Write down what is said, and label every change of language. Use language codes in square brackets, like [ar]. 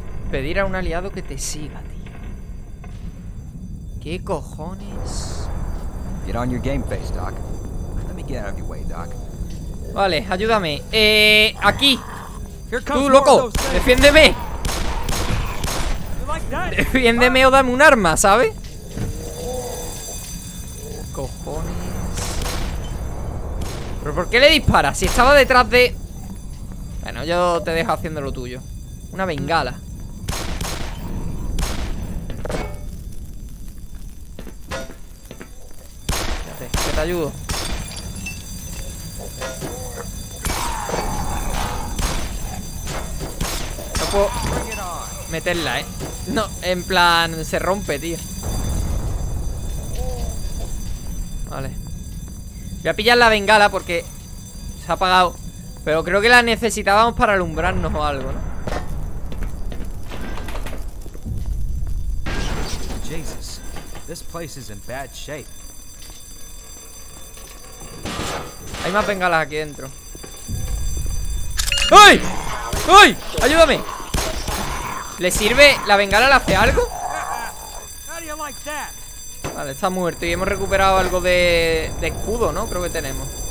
[es] Pedir a un aliado que te siga, tío. ¿Qué cojones? [en] Get on your game face, Doc. Let me get out of your way, Doc. [es] Vale, ayúdame. Aquí. Tú, loco, defiéndeme. Defiéndeme o dame un arma, ¿sabes? Cojones. ¿Pero por qué le disparas? Si estaba detrás de... Bueno, yo te dejo haciendo lo tuyo. Una bengala. Espérate, que te ayudo. No puedo meterla, No, en plan, se rompe, tío. Vale. Voy a pillar la bengala porque se ha apagado. Pero creo que la necesitábamos para alumbrarnos o algo, ¿no? [en] Jesus, this place is in bad shape. [es] Hay más bengalas aquí dentro. ¡Ay! ¡Ay! ¡Ayúdame! ¿Le sirve? ¿La bengala le hace algo? Vale, está muerto y hemos recuperado algo de escudo, ¿no? Creo que tenemos.